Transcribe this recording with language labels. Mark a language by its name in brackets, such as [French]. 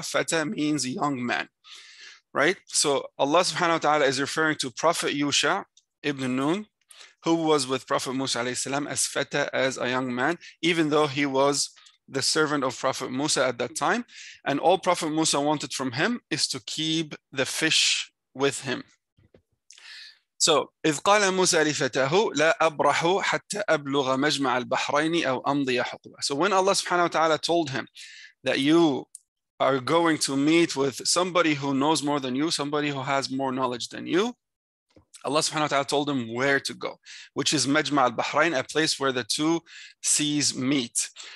[English] Fata means young man, right? So Allah subhanahu wa ta'ala is referring to Prophet Yusha ibn Nun, who was with Prophet Musa alayhi salam as fata, as a young man, even though he was the servant of Prophet Musa at that time. And all Prophet Musa wanted from him is to keep the fish with him. [Arabic] So, إِذْ قَالَ مُوسَى لِفَتَاهُ لَا أَبْرَحُ حَتَّى أَبْلُغَ مَجْمَعَ الْبَحْرَيْنِ أَوْ أَمْضِيَ حُقُبًا. [English] So when Allah subhanahu wa ta'ala told him that you are going to meet with somebody who knows more than you, somebody who has more knowledge than you, Allah subhanahu wa ta'ala told him where to go, which is مَجْمَعَ الْبَحْرَيْنِ, a place where the two seas meet.